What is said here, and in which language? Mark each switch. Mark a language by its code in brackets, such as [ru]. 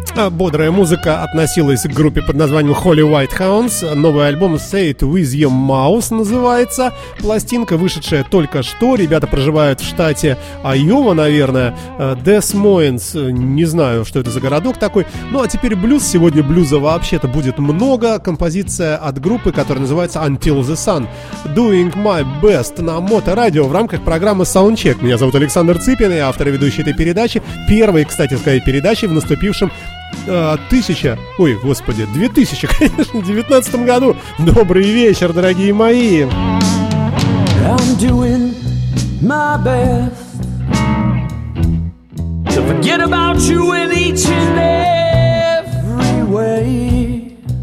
[ru] бодрая музыка относилась к группе под названием Holy White Hounds. Новый альбом Say It With Your Mouth называется. Пластинка, вышедшая только что. Ребята проживают в штате Айова, наверное. Des Moines. Не знаю, что это за городок такой. Ну, а теперь блюз. Сегодня блюза вообще-то будет много. Композиция от группы, которая называется Until the Sun. Doing my best на Моторадио в рамках программы Soundcheck. Меня зовут Александр Цыпин, я автор и ведущий этой передачи. Первый, кстати сказать, передачи в наступившем 2019 году. Добрый вечер, дорогие мои. [en] I'm doing my best to forget about you in each and every way.